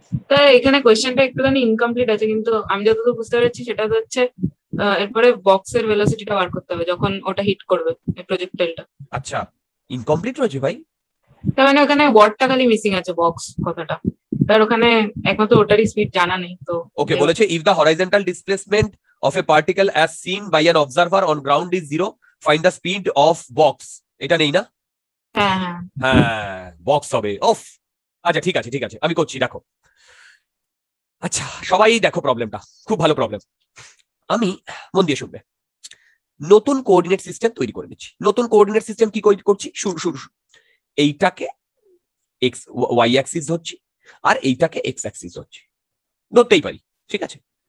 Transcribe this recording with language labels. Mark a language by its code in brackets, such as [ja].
[bn] তাই এখানে কোশ্চেনটা একটুখানি ইনকমপ্লিট আছে, কিন্তু আমি যতটুকু বুঝতে পেরেছি সেটা হচ্ছে এরপরে বক্সের ভেলোসিটিটা বার করতে হবে যখন ওটা হিট করবে প্রজেক্টাইলটা। আচ্ছা, ইনকমপ্লিট রয়েছে ভাই, তার মানে ওখানে ওয়ার্ডটা খালি মিসিং আছে বক্স কথাটা, তার ওখানে একমাত্র ওটারই স্পিড জানা নেই তো। [en] Okay, বলেছে if the horizontal displacement of a particle as seen by an observer on ground is zero, find the speed of box. [bn] এটা নেই না? হ্যাঁ, বক্স হবে। ওফ, আচ্ছা ঠিক আছে ঠিক আছে, আমি করছি, দেখো। আচ্ছা সবাই দেখো প্রবলেমটা, খুব ভালো প্রবলেম, আমি মন দিয়ে শুনবে। নতুন কোঅর্ডিনেট সিস্টেম তৈরি করে দিচ্ছি, নতুন কোঅর্ডিনেট সিস্টেম কি করছি, শুরু শুরু এইটাকে এক্স ওয়াই অ্যাক্সিস হচ্ছে আর এইটাকে এক্স অ্যাক্সিস হচ্ছে, ধরতেই পারি, ঠিক আছে।